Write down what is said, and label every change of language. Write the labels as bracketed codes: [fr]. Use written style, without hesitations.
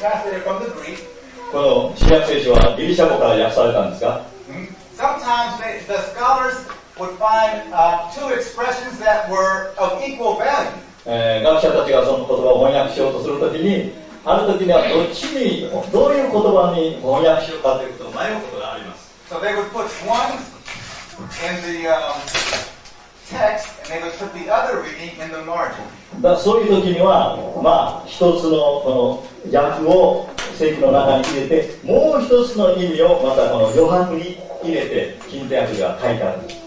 [ja] この新約聖書はギリシャ語から訳されたんですか？ [en] Sometimes the scholars would find two expressions that were of equal value. [ja] 学者たちがその言葉を翻訳しようとするときに、ある時にはどっちにどういう言葉に翻訳しようかということを迷うことがあります。 [en] So they would put one in the text, and they would put the other reading in the margin. [ja] だそういう時には、まあ一つのこの訳を聖句の中に入れて、もう一つの意味をまたこの余白に入れて近代訳が書いてある。